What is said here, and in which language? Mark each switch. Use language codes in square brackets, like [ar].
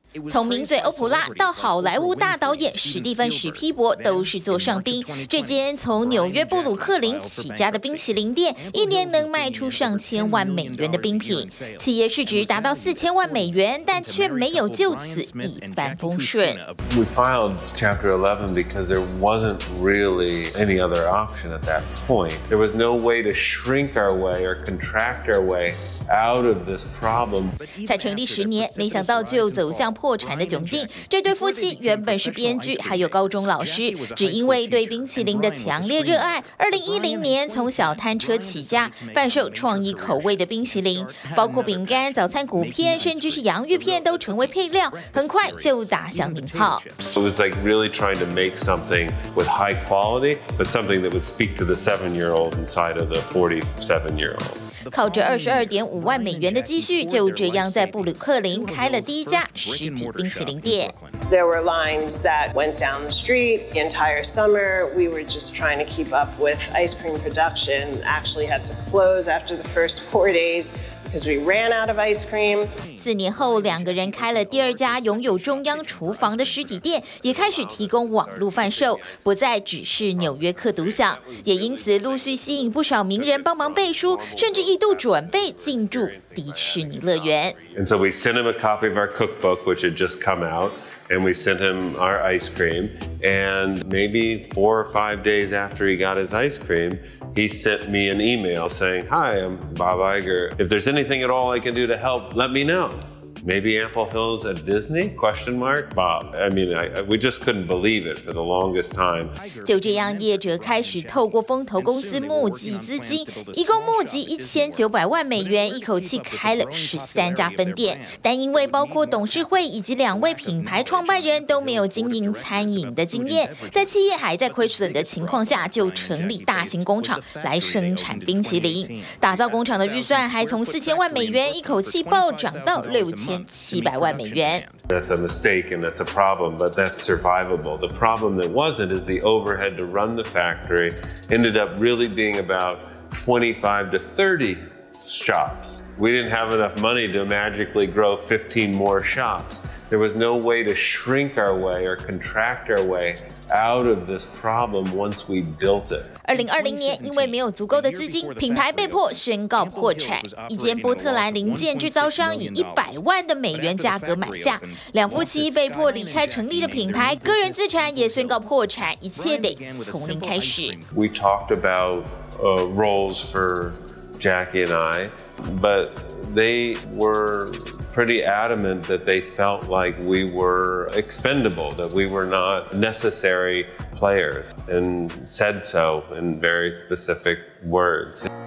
[zh] 从名嘴欧普拉到好莱坞大导演史蒂芬史皮伯都是座上宾，这间从纽约布鲁克林起家的冰淇淋店一年能卖出上千万美元的冰品，企业市值达到4000万美元，但却没有就此一帆风顺。 [en] We filed Chapter 11 because there wasn't really any other option at that point. There was no way to shrink our way or contract our way. Out of this problem. [zh] 才成立10年，没想到就走向破产的窘境。这对夫妻原本是编剧，还有高中老师，只因为对冰淇淋的强烈热爱，2010年从小摊车起家，贩售创意口味的冰淇淋，包括饼干、早餐谷片，甚至是洋芋片都成为配料，很快就打响名号。 [en] It was like really trying to make something with high quality, but something that would speak to the 7-year-old inside of the 47-year-old. [zh] 靠着22.5万美元的积蓄，就这样在布鲁克林开了第一家实体冰淇淋店。 [en] There were lines that went down the street the entire summer. We were just trying to keep up with ice cream production. Actually, had to close after the first 4 days. because we ran out of ice cream. [zh] 四年后，两个人开了第二家拥有中央厨房的实体店，也开始提供网路贩售，不再只是纽约客独享，也因此陆续吸引不少名人帮忙背书，甚至一度准备进驻迪士尼乐园。 [en] And so we sent him a copy of our cookbook, which had just come out, and we sent him our ice cream. And maybe 4 or 5 days after he got his ice cream. He sent me an email saying, Hi, I'm Bob Iger. If there's anything at all I can do to help, let me know. Maybe Ample Hills at Disney? Question mark? Bob. I mean, we just couldn't believe it for the longest time. [zh] 就这样，业者开始透过风投公司募集资金，一共募集$1,900万，一口气开了13家分店。但因为包括董事会以及两位品牌创办人都没有经营餐饮的经验，在企业还在亏损的情况下，就成立大型工厂来生产冰淇淋。打造工厂的预算还从$4,000,000一口气暴涨到6,700万美元。 [en] That's a mistake and that's a problem, but that's survivable. The problem that wasn't is the overhead to run the factory ended up really being about 25 to 30 shops. We didn't have enough money to magically grow 15 more shops. There was no way to shrink our way or contract our way out of this problem once we built it. [zh] 2020年，因为没有足够的资金，品牌被迫宣告破产。一间波特兰零件制造商以$1,000,000的价格买下，两夫妻被迫离开成立的品牌，个人资产也宣告破产，一切得从零开始。 [en] We talked about roles for. Jackie and I, but they were pretty adamant that they felt like we were expendable, that we were not necessary players, and said so in very specific words.